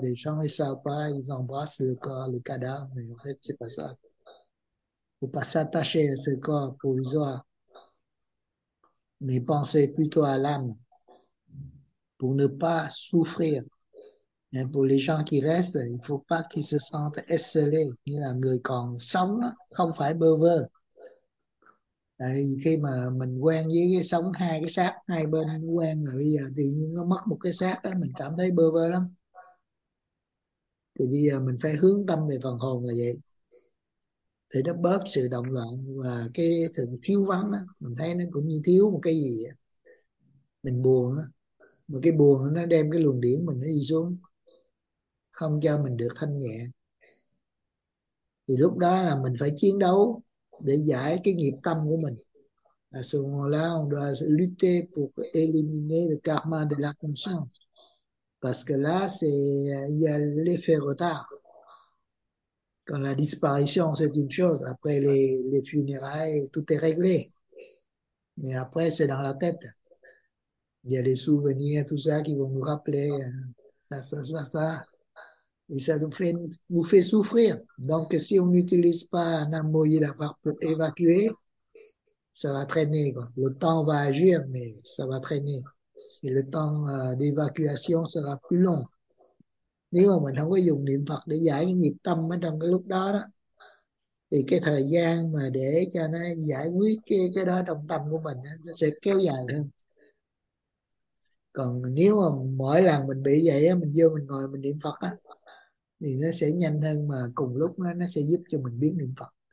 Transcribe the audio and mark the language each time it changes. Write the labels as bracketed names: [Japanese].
[French] Les gens ne savent pas, ils embrassent le corps, le cadavre, mais en fait, c'est pas ça. Faut pas s'attacher à ce corps provisoire, mais penser plutôt à l'âme, pour ne pas souffrir. Et pour les gens qui restent, il ne faut pas qu'ils se sentent esseulés. [Vietnamese] Nghĩa là người còn sống không phải bơ vơ. Khi mà mình quen với cái sống hai cái xác, hai bên quen rồi, bây giờ tự nhiên nó mất một cái xác đó, mình cảm thấy bơ vơ lắm. Thì bây giờ mình phải hướng tâm về phần hồn là vậy. Thì nó bớt sự động loạn và cái sự thiếu vắng đó. Mình thấy nó cũng như thiếu một cái gì vậy. Mình buồn á. Mà cái buồn nó đem cái luồng điển mình nó đi xuống, không cho mình được thanh nhẹ. Thì lúc đó là mình phải chiến đấu để giải cái nghiệp tâm của mình. [French] À, [Vietnamese] sự là [French] on doit lutter pour éliminer le karma de la conscience. Parce que là, il y a l'effet retard. Quand la disparition, c'est une chose. Après les funérailles, tout est réglé. Mais après, c'est dans la tête. Il y a les souvenirs, tout ça, qui vont nous rappeler ça. Et ça nous fait souffrir. Donc, si on n'utilise pas un amour pour évacuer, ça va traîner, quoi. Le temps va agir, mais ça va traîner. Et le temps d'évacuation sera plus long. [Vietnamese] Nếu mà mình không có dùng niệm Phật để giải cái nghiệp tâm ở trong cái lúc đó đó, thì cái thời gian mà để cho nó giải quyết cái đó trong tâm của mình nó sẽ kéo dài hơn. Còn nếu mà mỗi lần mình bị vậy á, mình vô mình ngồi mình niệm Phật á, thì nó sẽ nhanh hơn, mà cùng lúc nó sẽ giúp cho mình biết niệm Phật.